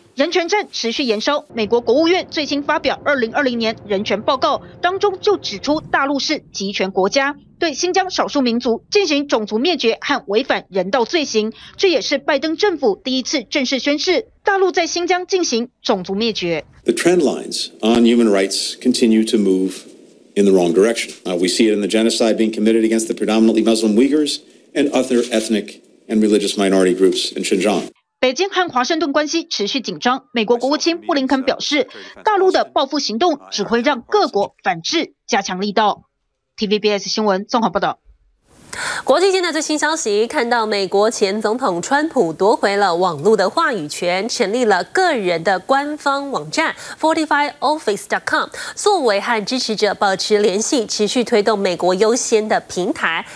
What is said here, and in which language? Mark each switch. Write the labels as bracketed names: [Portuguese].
[Chinese] 人权战持续延烧，美国国务院最新发表2020年人权报告，当中就指出大陆是极权国家，对新疆少数民族进行种族灭绝和违反人道罪行，这也是拜登政府第一次正式宣示大陆在新疆进行种族灭绝。 [English] The trend lines on human rights continue to move in the wrong direction. We see it in the genocide being committed against the predominantly Muslim Uyghurs and other ethnic and religious minority groups in Xinjiang. [Chinese] 北京和华盛顿关系持续紧张，美国国务卿布林肯表示，大陆的报复行动只会让各国反制加强力道。 TVBS 新闻综合报道。国际间的最新消息，看到美国前总统川普夺回了网络的话语权，成立了个人的官方网站 45office.com， 作为和支持者保持联系，持续推动美国优先的平台。